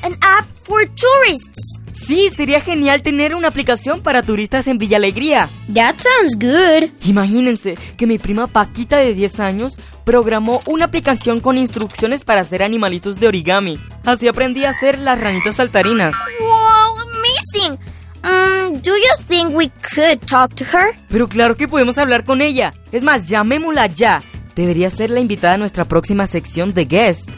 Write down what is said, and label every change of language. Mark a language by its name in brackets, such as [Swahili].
[English] ¡An app for tourists! [Spanish] Sí, sería genial tener una aplicación para turistas en Villa Alegría. [English] That sounds good. [Spanish] Imagínense que mi prima Paquita de 10 años programó una aplicación con instrucciones para hacer animalitos de origami. Así aprendí a hacer las ranitas saltarinas. [English] Wow, amazing. Do you think we could talk to her? [Spanish] Pero claro que podemos hablar con ella. Es más, llamémosla ya. Debería ser la invitada a nuestra próxima sección de guest.